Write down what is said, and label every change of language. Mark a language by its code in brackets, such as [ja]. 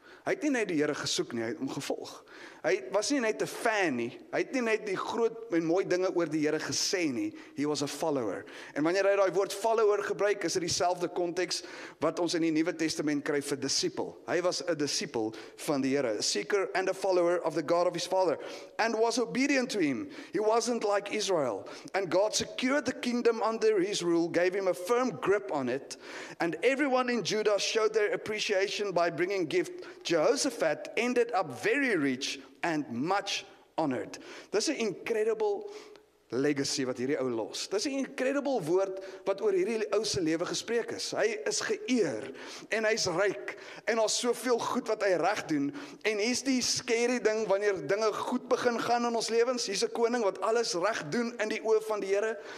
[af] Hy het nie net die Here gesoek nie, hy het hom gevolg. Hy was nie net 'n fan nie. Hy het nie net die groot en mooi dinge oor die Here gesê nie. [en] He was a follower. [af] En wanneer hy daai woord follower gebruik, is dit dieselfde konteks wat ons in die Nuwe Testament kry vir disipel. Hy was 'n disipel van die Here, [en] a seeker and a follower of the God of his father, and was obedient to him. He wasn't like Israel. And God secured the kingdom under his rule, gave him a firm grip on it, and everyone in Judah showed their appreciation by bringing gift. Jehoshaphat ended up very rich and much honored. [af] Dis 'n incredible legacy wat hierdie ou los. Dis 'n incredible woord wat oor hierdie ou se lewe gespreek is. Hy is geëer en hy's ryk en daar's soveel goed wat hy reg doen. En hier's die scary ding wanneer dinge goed begin gaan in ons lewens. Hier's 'n koning wat alles reg doen in die oë van die Here.